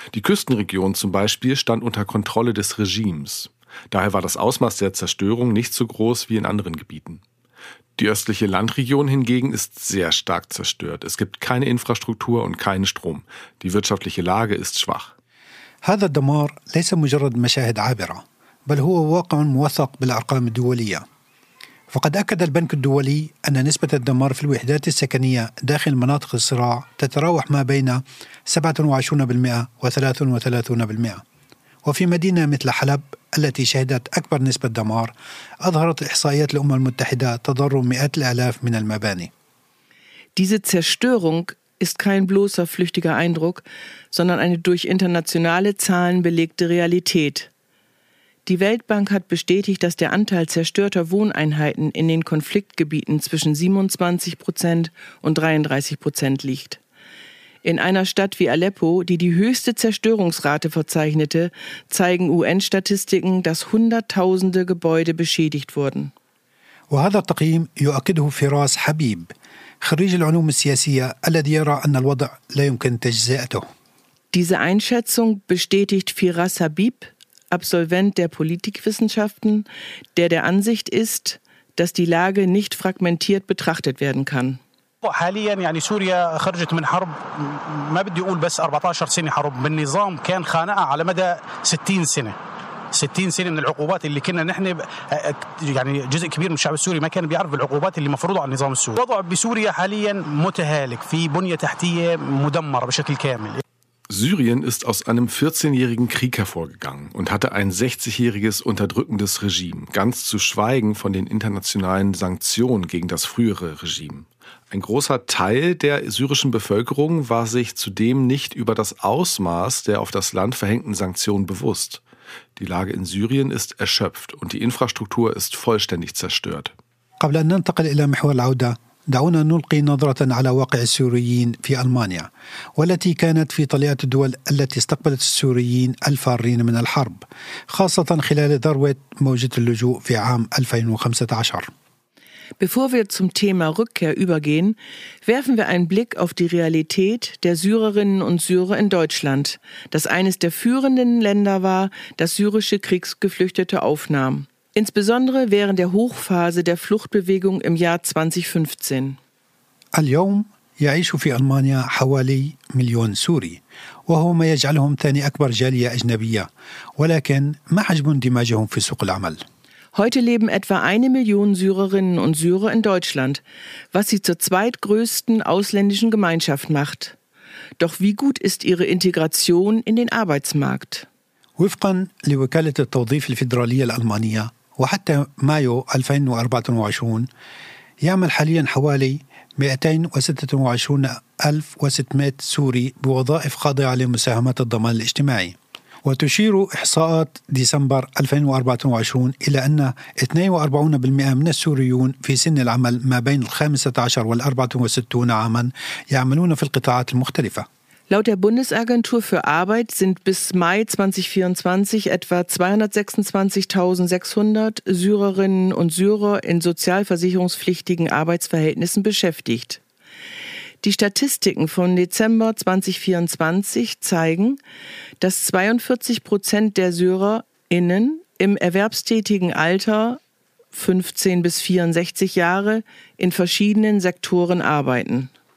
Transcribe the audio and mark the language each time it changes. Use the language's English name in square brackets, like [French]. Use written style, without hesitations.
[German] Die Küstenregion zum Beispiel stand unter Kontrolle des Regimes. Daher war das Ausmaß der Zerstörung nicht so groß wie in anderen Gebieten. Die östliche Landregion hingegen ist sehr stark zerstört. Es gibt keine Infrastruktur und keinen Strom. Die wirtschaftliche Lage ist schwach. [Arabic] هذا الدمار ليس مجرد مشاهد عابرة، بل هو واقع موثق بالأرقام الدولية. فقد أكد البنك الدولي أن نسبة الدمار في الوحدات السكنية داخل مناطق الصراع تتراوح ما بين 27% و33%. وفي مدينة مثل حلب التي شهدت أكبر نسبة دمار أظهرت إحصائيات الأمم المتحدة تضرر مئات الآلاف من المباني. [German] Diese Zerstörung ist kein bloßer flüchtiger Eindruck, sondern eine durch internationale Zahlen belegte Realität. Die Weltbank hat bestätigt, dass der Anteil zerstörter Wohneinheiten in den Konfliktgebieten zwischen 27% und 33% liegt. In einer Stadt wie Aleppo, die die höchste Zerstörungsrate verzeichnete, zeigen UN-Statistiken, dass hunderttausende Gebäude beschädigt wurden. [Arabic] وهذا التقييم يؤكده فراس حبيب، خريج العلوم السياسية الذي يرى أن الوضع لا يمكن تجزئته. [German] Diese Einschätzung bestätigt Firas Habib, Absolvent der Politikwissenschaften, der Ansicht ist, dass die Lage nicht fragmentiert betrachtet werden kann. [Arabic] حاليا يعني سوريا خرجت من حرب ما بدي اقول بس 14 سنه حرب بالنظام كان خانقها على مدى 60 سنه 60 سنه من العقوبات اللي كنا نحن يعني جزء كبير من الشعب السوري ما كان بيعرف بالعقوبات اللي مفروضه على النظام السوري الوضع بسوريا حاليا متهالك في بنيه تحتيه مدمره بشكل كامل. [German] Syrien ist aus einem 14-jährigen Krieg hervorgegangen und hatte ein 60-jähriges unterdrückendes Regime, ganz zu schweigen von den internationalen Sanktionen gegen das frühere Regime. Ein großer Teil der syrischen Bevölkerung war sich zudem nicht über das Ausmaß der auf das Land verhängten Sanktionen bewusst. Die Lage in Syrien ist erschöpft und die Infrastruktur ist vollständig zerstört. [Arabic] قبل أن ننتقل إلى محور العودة، دعونا نلقي نظرة على واقع السوريين في ألمانيا والتي كانت في طليعة الدول التي استقبلت السوريين الفارين من الحرب خاصة خلال ذروة موجة اللجوء في عام 2015. [German] Bevor wir zum Thema Rückkehr übergehen, werfen wir einen Blick auf die Realität der Syrerinnen und Syrer in Deutschland, das eines der führenden Länder war, das syrische Kriegsgeflüchtete aufnahm. Insbesondere während der Hochphase der Fluchtbewegung im Jahr 2015. [Arabic] اليوم يعيش في ألمانيا حوالي 1 مليون سوري، وهو ما يجعلهم ثاني أكبر جالية أجنبية. ولكن ما حجم اندماجهم في سوق العمل؟ [German] Heute leben etwa 1 Million Syrerinnen und Syrer in Deutschland, was sie zur zweitgrößten ausländischen Gemeinschaft macht. Doch wie gut ist ihre Integration in den Arbeitsmarkt? [Arabic] وفقا لوكالة التوظيف الفيدرالية الألمانية وحتى مايو 2024 يعمل حاليا حوالي 226,600 سوري بوظائف خاضعة لمساهمات الضمان الاجتماعي. وتشير إحصاءات ديسمبر 2024 إلى أن 42% من السوريون في سن العمل ما بين 15 و64 عاما يعملون في القطاعات المختلفة. [German] Laut der Bundesagentur für Arbeit sind bis Mai 2024 etwa 226.600 Syrerinnen und Syrer in sozialversicherungspflichtigen Arbeitsverhältnissen beschäftigt. Die Statistiken von Dezember 2024 zeigen, dass 42% der SyrerInnen im erwerbstätigen Alter 15 bis 64 Jahre in verschiedenen Sektoren arbeiten.